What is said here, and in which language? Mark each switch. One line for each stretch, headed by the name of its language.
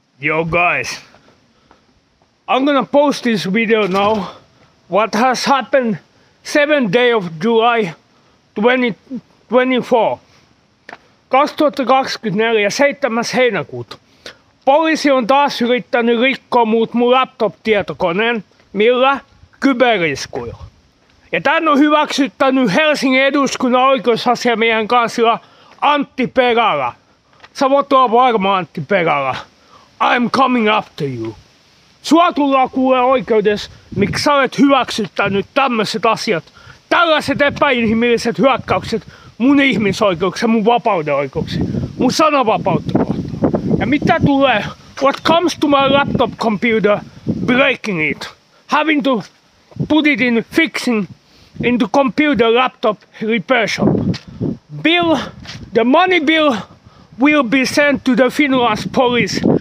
English: Yo guys, I'm gonna post this video now. What has happened 7th day of July 2024?
Finnish: 2024, 7. heinäkuuta. Poliisi on taas yrittänyt rikkoa mun laptop-tietokoneen, millä? Kyberiskuilla. Ja tän on hyväksyttänyt Helsingin eduskunnan oikeusasiamiehen kanssa Antti Perala. Sä voit olla varma, Antti Perala.
English: I'm coming after you.
Finnish: Sua tullaan kuulee oikeudessa, miksi sä olet hyväksyttänyt tämmöset asiat. Tällaiset epäinhimilliset hyökkäykset mun ihmisoikeuksia, mun vapauden oikeuksia, mun sananvapautta kohtaan. Ja mitä tulee?
English: What comes to my laptop computer, breaking it. Having to put it in fixing in the computer laptop repair shop. Bill, the money bill will be sent to the Finland police.